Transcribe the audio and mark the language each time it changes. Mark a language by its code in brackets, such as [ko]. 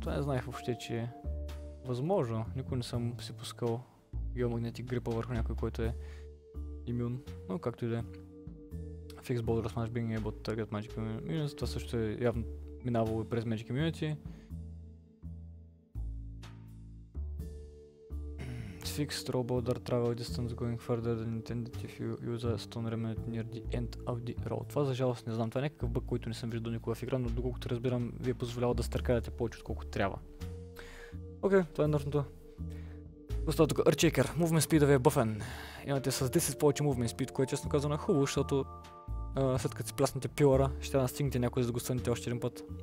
[bg] Това не знаех въобще, че е възможно. Никой не съм си пускал геомагнетик грипа върху някой, който е имюн, но както и да е. [en] Fix Boulder Smash Being Able to Target Magic Immunity. [bg] Това също е явно минавало и през Magic Immunity. [en] Fix Throw Boulder Travel Distance Going Further than Intended if you use a stone remnant near the end of the road. [bg] Това за жалост не знам. Това е някакъв бък, който не съм виждал никога в игра, но доколкото разбирам, ви е позволявал да стъркаляте повече отколкото трябва. Окей, това е нърното. Остава тук Earthshaker. Movement Speed ви е бъфен. Имате с 10 повече Movement Speed, което честно казано е хубаво, защото след като си пласнете пилъра, ще настигнете някой, за да го стънете още един път.